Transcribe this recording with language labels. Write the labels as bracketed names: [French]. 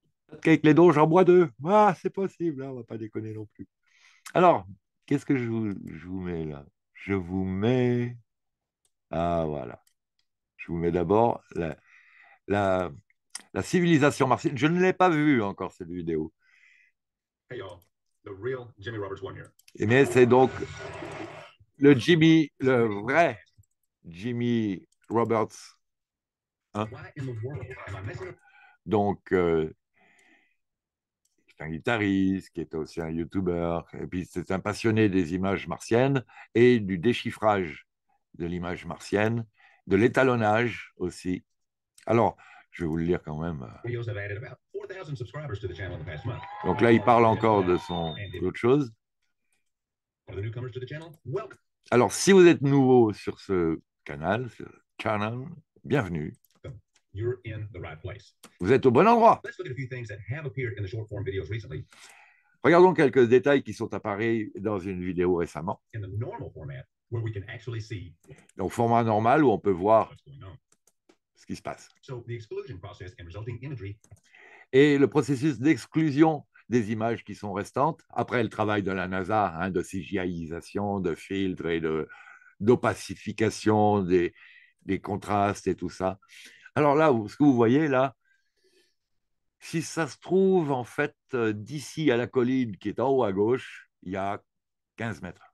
[French] Avec les dons, j'en bois deux. Ah, c'est possible, hein, on ne va pas déconner non plus. Alors, qu'est-ce que je vous mets là? Je vous mets. Ah, voilà. Je vous mets d'abord la civilisation martienne. Je ne l'ai pas vue encore, cette vidéo. [English] Hey y'all, the real Jimmy Roberts one here. [French] Mais c'est donc le Jimmy, le vrai Jimmy Roberts. Hein? [English] Why in the world am I missing it? [French] Donc, c'est un guitariste qui est aussi un YouTuber. Et puis, c'est un passionné des images martiennes et du déchiffrage de l'image martienne, de l'étalonnage aussi. Alors, je vais vous le lire quand même. [English] Videos have added about 4,000 subscribers to the channel in the past month. [French] Donc là, il parle encore de son autre chose. [English] For the newcomers to the channel, welcome. [French] Alors, si vous êtes nouveau sur ce canal, bienvenue. [English] You're in the right place. [French] Vous êtes au bon endroit. [English] Let's look at a few things that have appeared in the short form videos recently. [French] Regardons quelques détails qui sont apparus dans une vidéo récemment. [English] In the normal format, where we can actually see. [French] Donc, format normal où on peut voir ce qui se passe. [English] So, the exclusion process and resulting imagery. [French] Et le processus d'exclusion des images qui sont restantes, après le travail de la NASA, hein, de CGI-isation, de filtre et d'opacification des contrastes et tout ça. Alors là, ce que vous voyez là, si ça se trouve en fait d'ici à la colline qui est en haut à gauche, il y a 15 mètres.